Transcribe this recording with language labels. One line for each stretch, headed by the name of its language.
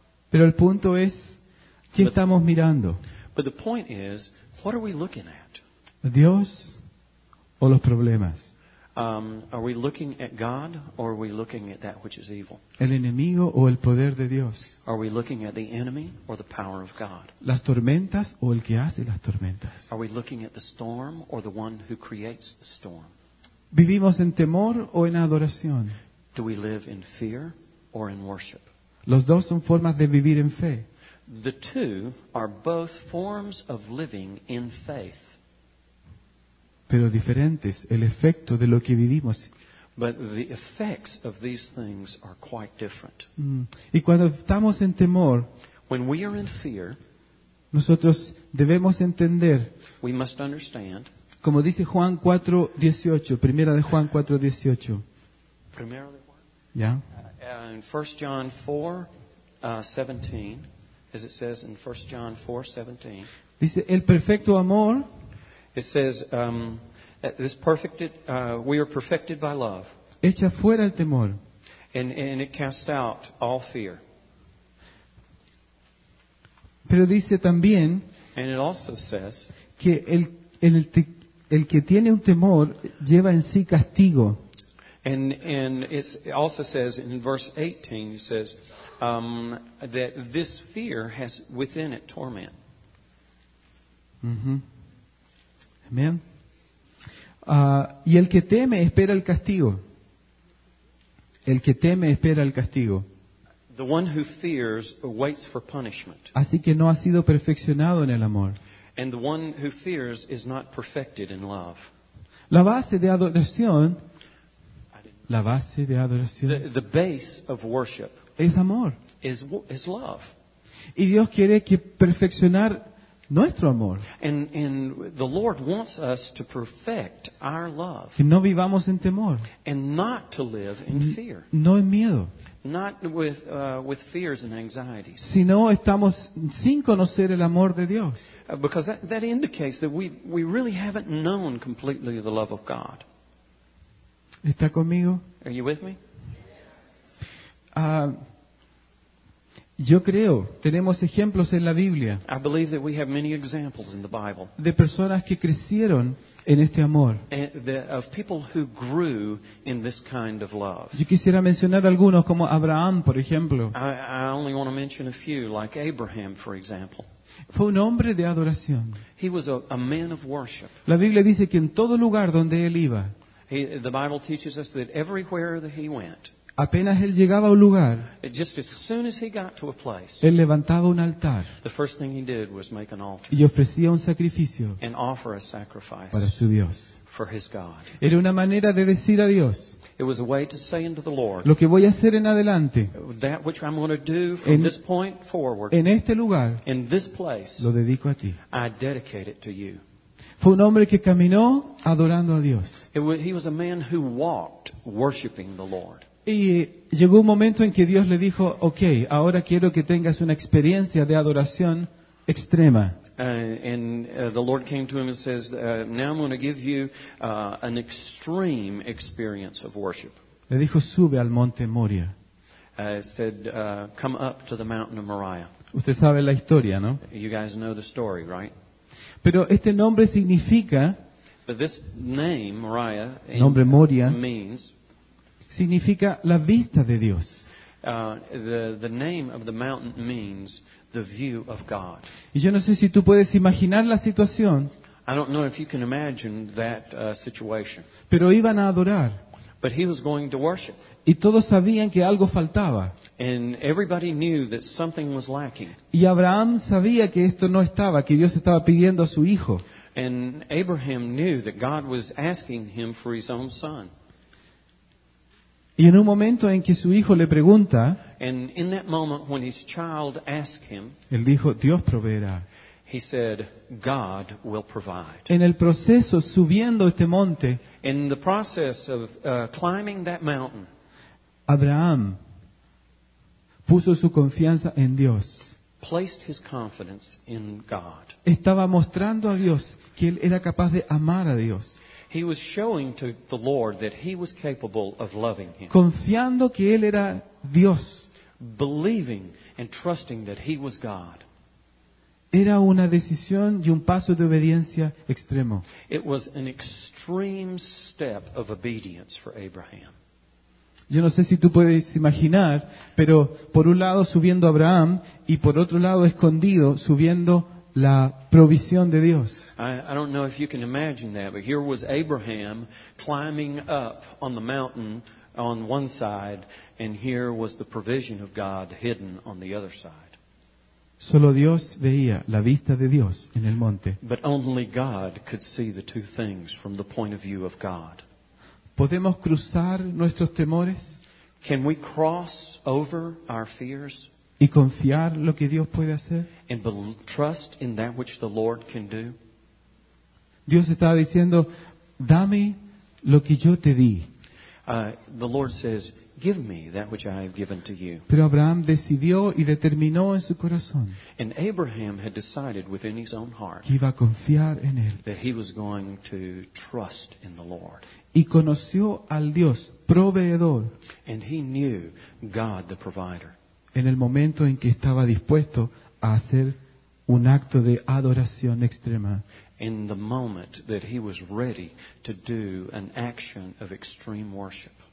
Spanish: Pero el punto es, ¿qué estamos mirando?
English: But the point is, what are we looking at?
Spanish: ¿Dios o los problemas?
English: Are we looking at God or are we looking at that which is evil?
Spanish: ¿El enemigo o el poder de Dios?
English: Are we looking at the enemy or the power of God?
Spanish: ¿Las tormentas o el que hace las tormentas?
English: Are we looking at the storm or the one who creates the storm?
Spanish: ¿Vivimos en temor o en adoración?
English: Do we live in fear or in worship?
Spanish: Los dos son formas de vivir en fe.
English: The two are both forms of living in faith.
Spanish: Pero diferentes, el efecto de lo que vivimos.
English: But the effects of these things are quite different.
Spanish: Y cuando estamos en temor,
English: when we are in fear,
Spanish: nosotros debemos entender,
English: we must understand,
Spanish: como dice Juan 4:18, primera de Juan 4:18. Primera de Juan.
English: Yeah. In 1 John 4:17. As it says in 1 John 4:17.
Spanish: Dice el perfecto amor.
English: It says this perfected we are perfected by love.
Spanish: Echa fuera el temor.
English: And it casts out all fear.
Spanish: Pero dice también.
English: And it also says
Spanish: que el que tiene un temor lleva en sí castigo.
English: And it also says in verse 18 it says that this fear has within it torment.
Spanish: Mm-hmm. Amen. Y el que teme espera el castigo. El que teme espera el castigo.
English: The one who fears waits for punishment.
Spanish: Así que no ha sido perfeccionado en el amor.
English: And the one who fears is not perfected in love.
Spanish: La base de adoración. La base de adoración.
English: The base of worship.
Spanish: Es amor.
English: Is love.
Spanish: Y Dios quiere que perfeccionar nuestro amor.
English: And the Lord wants us to perfect our love.
Spanish: Y no vivamos en temor.
English: And not to live in fear.
Spanish: No en miedo.
English: Not with fears and anxieties.
Spanish: Sino estamos sin conocer el amor de Dios.
English: Because that indicates that we really haven't known completely the love of God.
Spanish: ¿Está conmigo?
English: Are you with me?
Spanish: Yo creo, tenemos ejemplos en la Biblia.
English: I believe that we have many examples in the Bible.
Spanish: De personas que crecieron en este amor.
English: Of people who grew in this kind of love.
Spanish: Yo quisiera mencionar algunos como Abraham, por ejemplo.
English: I only want to mention a few, like Abraham, for example.
Spanish: Fue un hombre de adoración.
English: He was a man of worship.
Spanish: La Biblia dice que en todo lugar donde él iba.
English: The Bible teaches us that everywhere that he went.
Spanish: Apenas él llegaba a un lugar,
English: just as soon as he got to a place,
Spanish: él levantaba un altar,
English: the first thing he did was make an altar,
Spanish: y ofrecía un sacrificio,
English: and offer a sacrifice
Spanish: para su Dios,
English: for his God.
Spanish: Era una manera de decir a Dios,
English: it was a way to say unto the Lord,
Spanish: lo que voy a hacer en adelante,
English: that which I'm going to do from this point forward,
Spanish: en este lugar,
English: in this place,
Spanish: lo dedico a ti,
English: I dedicate it to you.
Spanish: Fue un hombre que caminó adorando a Dios.
English: He was a man who walked worshiping the Lord.
Spanish: Y llegó un momento en que Dios le dijo, okay, ahora quiero que tengas una experiencia de adoración extrema.
English: The Lord came to him and says, now I'm going to give you an extreme experience of worship.
Spanish: Le dijo, sube al monte Moria.
English: Come up to the mountain of Moriah.
Spanish: Usted sabe la historia, ¿no?
English: You guys know the story, right?
Spanish: Pero este nombre significa,
English: but this name, Moriah,
Spanish: nombre Moria,
English: means,
Spanish: significa la vista de Dios.
English: The name of the mountain means the view of God.
Spanish: Y yo no sé si tú puedes imaginar la situación.
English: I don't know if you can imagine that situation.
Spanish: Pero iban a adorar.
English: But he was going to worship.
Spanish: Y todos sabían que algo faltaba.
English: And everybody knew that something was lacking.
Spanish: Y Abraham sabía que esto no estaba, que Dios estaba pidiendo a su hijo.
English: And Abraham knew that God was asking him for his own son.
Spanish: Y en un momento en que su hijo le pregunta,
English: and in that moment when his child asked him,
Spanish: él dijo, Dios proveerá.
English: He said, God will provide.
Spanish: En el proceso, subiendo este monte,
English: in the process of climbing that mountain,
Spanish: Abraham puso su confianza en Dios.
English: Placed his confidence in God.
Spanish: Estaba mostrando a Dios que él era capaz de amar a Dios.
English: He was showing to the Lord that he was capable of loving him.
Spanish: Confiando que él era Dios.
English: Believing and trusting that he was God.
Spanish: Era una decisión y un paso de obediencia extremo.
English: It was an extreme step of obedience for Abraham.
Spanish: Yo no sé si tú puedes imaginar, pero por un lado subiendo Abraham y por otro lado escondido subiendo la provisión de Dios.
English: I don't know if you can imagine that, but here was Abraham climbing up on the mountain on one side, and here was the provision of God hidden on the other side.
Spanish: Solo Dios veía la vista de Dios en el monte.
English: But only God could see the two things from the point of view of God.
Spanish: ¿Podemos cruzar nuestros temores?
English: Can we cross over our fears?
Spanish: ¿Y confiar lo que Dios puede hacer?
English: And trust in that which the Lord can do?
Spanish: Dios estaba diciendo, dame lo que yo te di.
English: The Lord says, give me that which I have given to you.
Spanish: Pero Abraham decidió y determinó en su corazón.
English: And Abraham had decided within his own heart
Spanish: que iba a confiar en él.
English: That he was going to trust in the Lord.
Spanish: Y conoció al Dios proveedor.
English: And he knew God the provider.
Spanish: En el momento en que estaba dispuesto a hacer un acto de adoración extrema.
English: In the moment that he was ready to do an action of extreme worship.